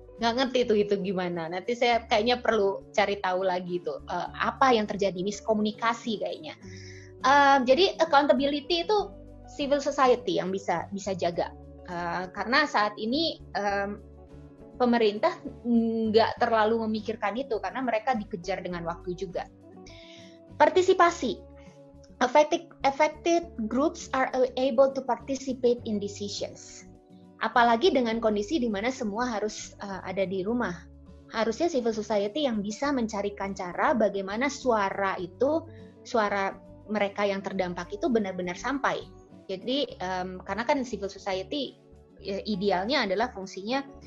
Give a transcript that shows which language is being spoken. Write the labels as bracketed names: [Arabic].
[Indonesian] Nggak ngerti itu gimana. Nanti saya kayaknya perlu cari tahu lagi tuh apa yang terjadi, miskomunikasi kayaknya. Jadi accountability itu civil society yang bisa jaga. Karena saat ini pemerintah nggak terlalu memikirkan itu karena mereka dikejar dengan waktu juga. Partisipasi. [English] Affected groups are able to participate in decisions. [Indonesian] Apalagi dengan kondisi di mana semua harus ada di rumah. Harusnya civil society yang bisa mencarikan cara bagaimana suara itu, suara mereka yang terdampak itu benar-benar sampai. Jadi, karena kan civil society idealnya adalah fungsinya